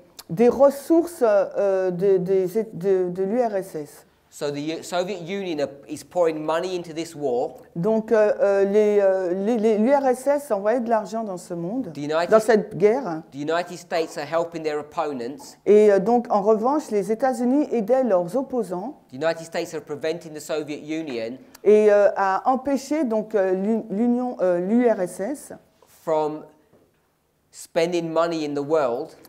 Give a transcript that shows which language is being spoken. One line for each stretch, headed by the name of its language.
French: Des ressources de l'URSS.
English: So the Soviet Union is pouring money into this war.
French: Donc l'URSS envoyait de l'argent dans ce monde, dans cette guerre.
English: The United States are helping their opponents.
French: Et donc en revanche, les États-Unis aidaient leurs opposants.
English: The United States are preventing the Soviet Union.
French: Et a empêché donc l'Union, l'URSS,
English: from spending money in the world.